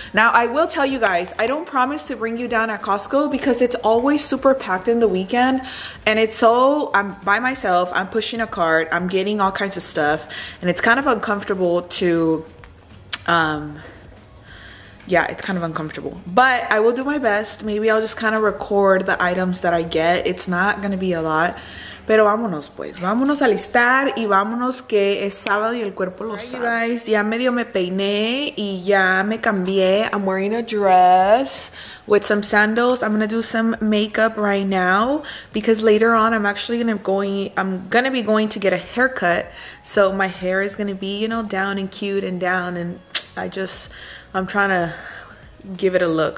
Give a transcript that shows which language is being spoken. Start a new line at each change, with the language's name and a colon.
English: Now, I will tell you guys, I don't promise to bring you down at Costco because it's always super packed in the weekend. And it's so, I'm by myself, I'm pushing a cart, I'm getting all kinds of stuff. And it's kind of uncomfortable to... yeah, it's kind of uncomfortable, but I will do my best. Maybe I'll just kind of record the items that I get. It's not gonna be a lot,
Spanish: pero vámonos pues, vámonos a listar y vámonos que es sábado y el cuerpo lo sabe.
English: You guys,
Spanish: ya medio me peiné y ya me cambié.
English: I'm wearing a dress with some sandals. I'm gonna do some makeup right now because later on I'm gonna be going to get a haircut, so my hair is gonna be, you know, down and cute and down, and I'm trying to give it a look.